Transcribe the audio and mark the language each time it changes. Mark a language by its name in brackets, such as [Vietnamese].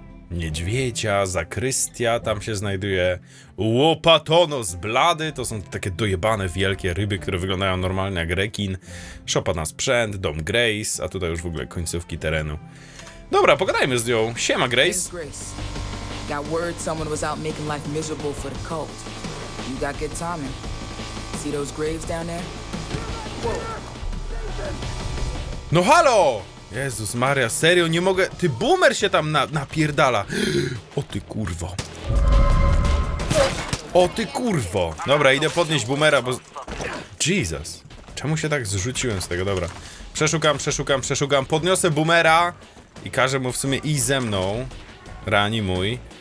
[Polish] Niedźwiedzia, zakrystia tam się znajduje. Łopatonos blady, to są takie dojebane wielkie ryby, które wyglądają normalnie jak rekin. Szopa na sprzęt, dom Grace, a tutaj już w ogóle końcówki terenu. Dobra, pogadajmy z nią. Siema Grace. [English] Got word someone was out making life miserable for the cult. You got good timing. See those graves down there? [Polish] No halo! Jezus Maria, serio, nie mogę... Ty boomer się tam napierdala! O ty kurwo! O ty kurwo! Dobra, idę podnieść boomera, bo... Jesus! Czemu się tak zrzuciłem z tego? Dobra. Przeszukam. Podniosę boomera i każę mu w sumie iść ze mną. Rani mój.